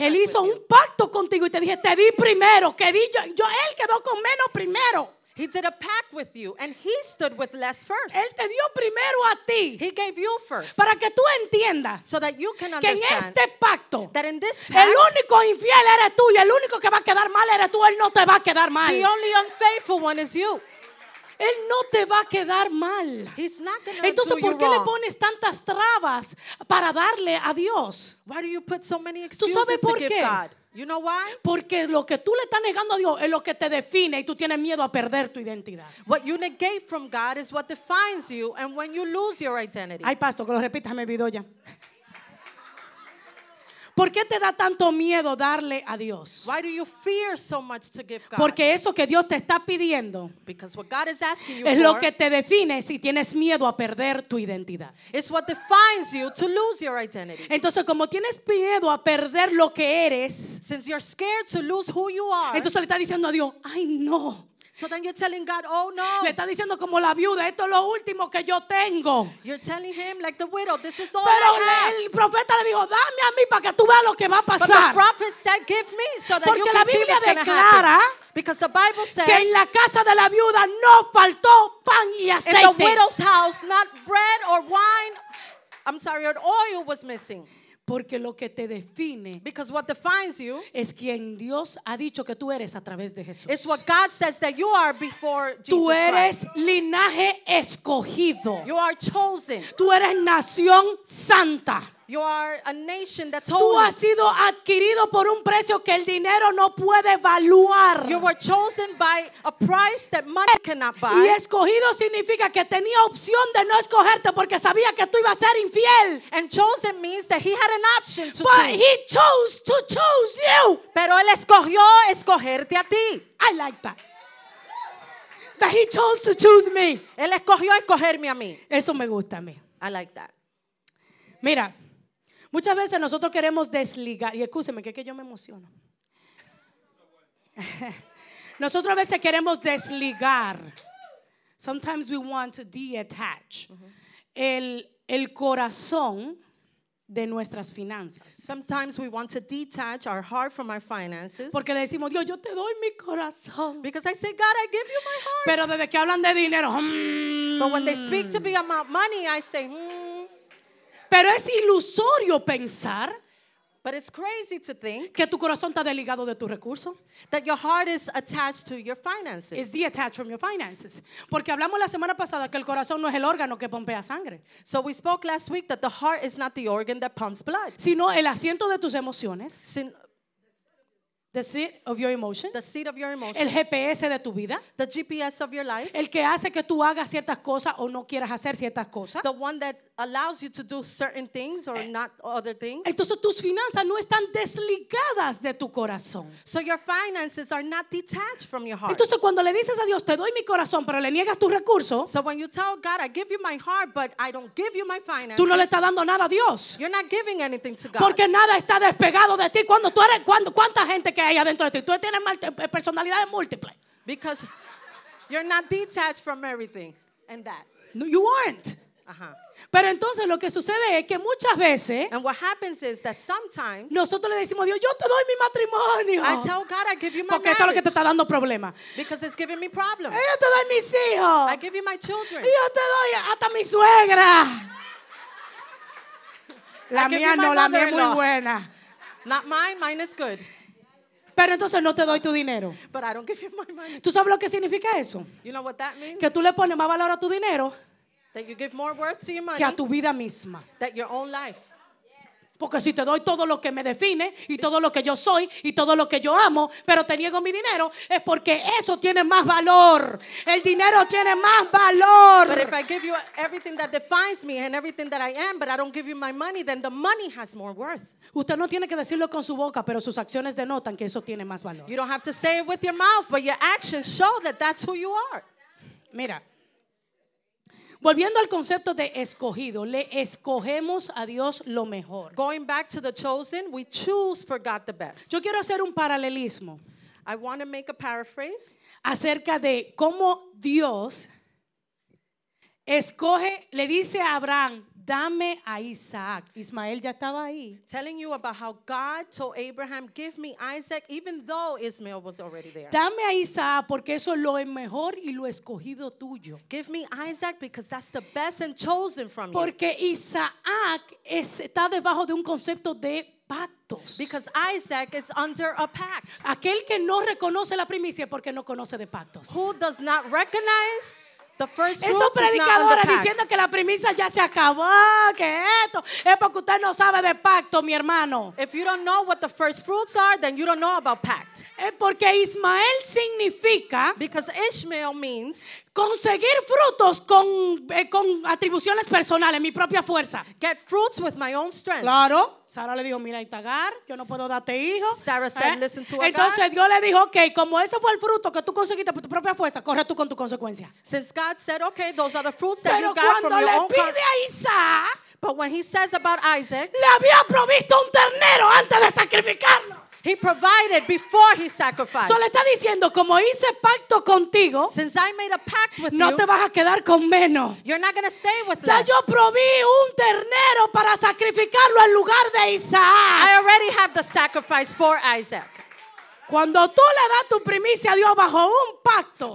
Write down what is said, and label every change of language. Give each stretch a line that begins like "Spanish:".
Spanish: Él hizo un pacto contigo y te dije, te di primero, que di yo, yo él quedó con menos primero.
English: He did a pact with you and he stood with less first.
Spanish: Él te dio primero a ti.
English: He gave you first.
Spanish: Para que tú entiendas.
English: So that you can understand.
Spanish: Que en este pacto.
English: That in this pact.
Spanish: El único infiel eres tú y el único que va a quedar mal eres tú. Él no te va a quedar mal.
English: The only unfaithful one is you.
Spanish: Él no te va a quedar mal.
English: He's not gonna
Spanish: Entonces,
English: do you wrong.
Spanish: ¿Por qué le pones tantas trabas para darle a Dios?
English: Why do you put so many excuses to give God?
Spanish: ¿Tú sabes por qué?
English: You know why?
Spanish: Porque lo que tú le estás negando a Dios es lo que te define y tú tienes miedo a perder tu identidad.
English: What you negate from God is what defines you, and when you lose your identity.
Spanish: Ay, pastor, que lo repitas, me olvidó ya. ¿Por qué te da tanto miedo darle a Dios?
English: Why do you fear so much to give God?
Spanish: Porque eso que Dios te está pidiendo
English: Because what God is asking you
Spanish: es lo
English: for,
Spanish: que te define si tienes miedo a perder tu identidad.
English: It's what defines you to lose your identity.
Spanish: Entonces, como tienes miedo a perder lo que eres,
English: Since you're scared to lose who you are,
Spanish: entonces le estás diciendo a Dios, ¡ay, no!
English: So then you're telling God, oh no.
Spanish: Le está diciendo como la viuda, esto es lo último que yo tengo.
English: You're telling him like the widow, this is all
Spanish: Pero
English: I have.
Spanish: Pero el profeta le dijo, dame a mí para que tú veas lo que va a pasar.
English: But the prophet said, give me so that
Spanish: Porque
English: you can
Spanish: la Biblia
English: see what's
Spanish: declara
English: Because the Bible says,
Spanish: que en la casa de la viuda no faltó pan y aceite.
English: In the widow's house, not bread or wine, I'm sorry, or oil was missing.
Spanish: Porque lo que te define
English: Because what defines you
Spanish: es quien Dios ha dicho que tú eres a través de Jesús.
English: It's what God says that you are before Jesus Christ.
Spanish: Tú eres linaje escogido.
English: You are chosen.
Spanish: Tú eres nación santa.
English: You are a nation that's holy.
Spanish: Tú has sido adquirido por un precio que el dinero no puede evaluar.
English: You were chosen by a price that money cannot buy.
Spanish: Y escogido significa que tenía opción de no escogerte porque sabía que tú ibas a ser infiel.
English: And chosen means that he had an option to But choose. He chose to choose you.
Spanish: Pero él escogió escogerte a ti.
English: I like that. That he chose to choose me.
Spanish: Él escogió escogerme a mí. Eso me gusta a mí.
English: I like that.
Spanish: Mira, muchas veces nosotros queremos desligar, y escúcheme que yo me emociono. Nosotros a veces queremos desligar,
English: sometimes we want to detach,
Spanish: el corazón de nuestras finanzas.
English: Sometimes we want to detach our heart from our finances.
Spanish: Porque le decimos, Dios, yo te doy mi corazón.
English: Because I say, God, I give you my heart.
Spanish: Pero desde que hablan de dinero,
English: But when they speak to me about money, I say,
Spanish: Pero es ilusorio pensar
English: But it's crazy to think
Spanish: que tu corazón está desligado de tu recurso.
English: That your heart is attached to your finances. It's detached from your finances.
Spanish: Porque hablamos la semana pasada que el corazón no es el órgano que pompea sangre.
English: So we spoke last week that the heart is not the organ that pumps blood.
Spanish: Sino el asiento de tus emociones.
English: The seat of your emotions. The seat of your emotions.
Spanish: El GPS de tu vida.
English: The GPS of your life.
Spanish: El que hace que tú hagas ciertas cosas o no quieras hacer ciertas cosas.
English: The one that allows you to do certain things or not other things.
Spanish: Entonces tus finanzas no están desligadas de tu corazón.
English: So your finances are not detached from your heart.
Spanish: Entonces cuando le dices a Dios, te doy mi corazón, pero le niegas tus recursos.
English: So when you tell God, I give you my heart, but I don't give you my finances.
Spanish: Tú no le estás dando nada a Dios.
English: You're not giving anything to God.
Spanish: Porque nada está despegado de ti. Cuando tú eres, cuando, ¿cuánta gente que hay adentro de ti? Tú tienes personalidades múltiples.
English: Because you're not detached from everything and that. No, you aren't.
Spanish: Pero entonces lo que sucede es que muchas veces
English: And what happens is that sometimes
Spanish: nosotros le decimos a Dios, yo te doy mi matrimonio.
English: I tell God, I give you my
Spanish: Porque Eso es lo que te está dando problemas.
English: Because it's giving me problems.
Spanish: Yo te doy mis hijos.
English: I give you my children.
Spanish: Yo te doy hasta mi suegra. La mía no, la mía es muy buena.
English: Not mine, mine is good.
Spanish: Pero entonces no te doy tu dinero.
English: But I don't give you my money.
Spanish: ¿Tú sabes lo que significa eso?
English: You know what that means?
Spanish: Que tú le pones más valor a tu dinero
English: that you give more worth to your money
Spanish: que a tu vida misma.
English: That your own life.
Spanish: Porque si te doy todo lo que me define y todo lo que yo soy y todo lo que yo amo, pero te niego mi dinero, es porque eso tiene más valor. El dinero tiene más valor.
English: But if I give you everything that defines me and everything that I am, but I don't give you my money, then the money has more worth.
Spanish: Usted no tiene que decirlo con su boca, pero sus acciones denotan que eso tiene más valor.
English: You don't have to say it with your mouth, but your actions show that that's who you are.
Spanish: Mira, volviendo al concepto de escogido, le escogemos a Dios lo mejor.
English: Going back to the chosen, we choose for God the best.
Spanish: Yo quiero hacer un paralelismo.
English: I want to make a paraphrase.
Spanish: Acerca de cómo Dios escoge, le dice a Abraham, Dame a Isaac. Ismael ya estaba ahí.
English: Telling you about how God told Abraham, give me Isaac, even though Ismael was already there.
Spanish: Dame a Isaac porque eso es lo mejor y lo escogido tuyo.
English: Give me Isaac because that's the best and chosen from you.
Spanish: Porque Isaac está debajo de un concepto de pactos.
English: Because Isaac is under a pact.
Spanish: Aquel que no reconoce la primicia porque no conoce de pactos.
English: Who does not recognize the first
Spanish: group. Esos predicadores diciendo que la primicia ya se acabó, que esto es porque usted no sabe de pacto, mi hermano.
English: If you don't know what the first fruits are, then you don't know about pact.
Spanish: Porque Ismael significa,
English: because Ishmael means,
Spanish: conseguir frutos con atribuciones personales, mi propia fuerza.
English: Get fruits with my own strength.
Spanish: Claro. Sara le dijo, mira, Itagar, yo no puedo darte hijo.
English: Sarah said, listen to
Spanish: a entonces God. Dios le dijo, okay, como ese fue el fruto que tú conseguiste por tu propia fuerza, corre tú con tu consecuencia.
English: Since God said, okay, those are the fruits that you got from your own.
Spanish: Pero cuando le pide a Isaac,
English: but when he says about Isaac,
Spanish: le había provisto un ternero antes de sacrificarlo.
English: He provided before he sacrificed.
Spanish: So le está diciendo, como hice pacto contigo,
English: since I made a pact with
Spanish: no
English: you,
Spanish: te vas a quedar con menos.
English: You're not going to stay with
Spanish: ya
English: less.
Spanish: Yo proví un ternero para sacrificarlo en lugar de Isaac.
English: I already have the sacrifice for Isaac.
Spanish: Cuando tú le das tu primicia a Dios bajo un pacto,